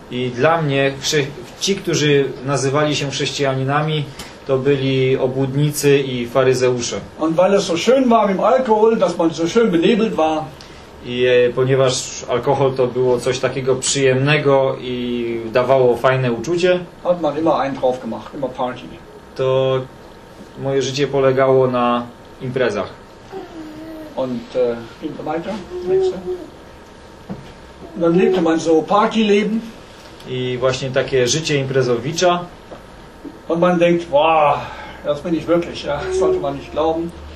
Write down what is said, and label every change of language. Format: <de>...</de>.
<pl>I dla mnie ci, którzy nazywali się chrześcijaninami, to byli obłudnicy i faryzeusze.</pl> <de>Und weil es so schön war mit dem Alkohol, dass man so schön benebelt war.</de> <pl>I ponieważ alkohol to było coś takiego przyjemnego i dawało fajne uczucie,</pl> <de>hat man immer einen drauf gemacht, immer Party.</de> <pl>To moje życie polegało na imprezach.</pl> <de>Und weiter, nächste. Dann lebte man so Partyleben.</de> <pl>I właśnie takie życie imprezowicza.</pl> <de>Und man denkt, wow, das bin ich wirklich, ja, das sollte man nicht glauben.</de>